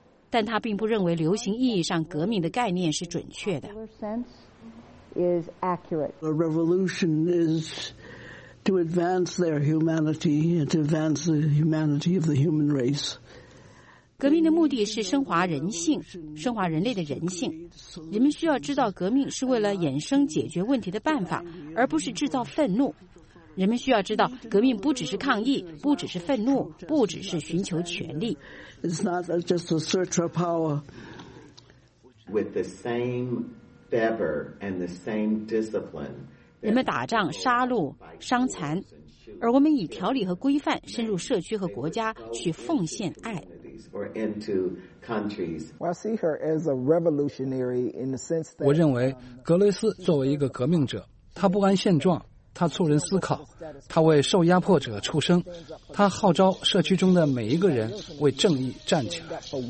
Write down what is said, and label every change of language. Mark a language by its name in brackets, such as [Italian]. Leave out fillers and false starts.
[Chinese] 但他并不认为流行意义上革命的概念是准确的。 [English] A revolution is to advance their humanity, to advance the humanity of the human race. [Chinese] 革命的目的是升华人性，升华人类的人性。人们需要知道革命是为了衍生解决问题的办法，而不是制造愤怒。人们需要知道革命不只是抗议，不只是愤怒，不只是寻求权力。 [English] It's not just a search for power. With the same fervor and the same discipline. [Chinese] 人们打仗、杀戮、伤残，而我们以条理和规范深入社区和国家去奉献爱。 [English] Or into countries. Well, I see her as a revolutionary in the sense that. [Chinese] 我认为格雷斯作为一个革命者，他不安现状，他促人思考，他为受压迫者出声，他号召社区中的每一个人为正义站起来。